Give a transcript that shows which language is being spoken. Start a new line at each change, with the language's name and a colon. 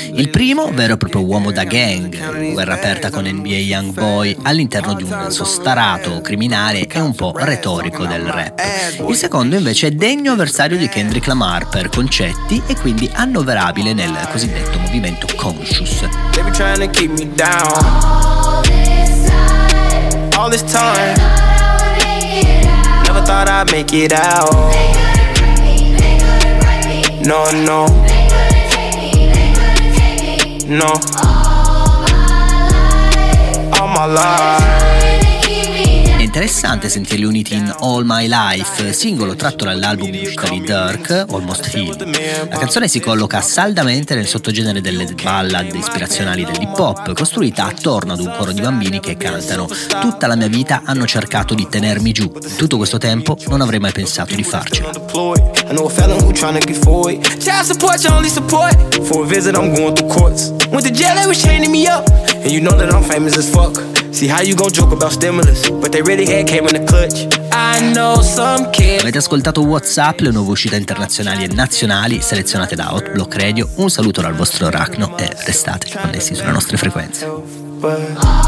Italian: Il primo, vero e proprio uomo da gang, guerra aperta con NBA Youngboy all'interno di un sostarato criminale e un po' retorico del rap. Il secondo invece è degno avversario di Kendrick Lamar per concetti e quindi annoverabile nel cosiddetto movimento conscious.
English: All this time, never thought I'd make it out. They couldn't break me, they couldn't break me. No, no. They couldn't take me, they couldn't take me. No. All my life, all my life.
Italian: Interessante sentirli uniti in All My Life, singolo tratto dall'album di Durk, Almost Healed. La canzone si colloca saldamente nel sottogenere delle ballad ispirazionali dell'hip hop, costruita attorno ad un coro di bambini che cantano «Tutta la mia vita hanno cercato di tenermi giù, tutto questo tempo non avrei mai pensato di farcela».
English: Child support, your only support. For a visit, I'm going through courts. Went to jail, they was chaining me up. And you know that I'm famous as fuck. See how you gon' joke about stimulus, but they really had came in the clutch. I know some kids.
Italian: Avete ascoltato WhatsApp, le nuove uscite internazionali e nazionali selezionate da Hotblock Radio. Un saluto dal vostro Arachno e restate connessi sulle nostre frequenze.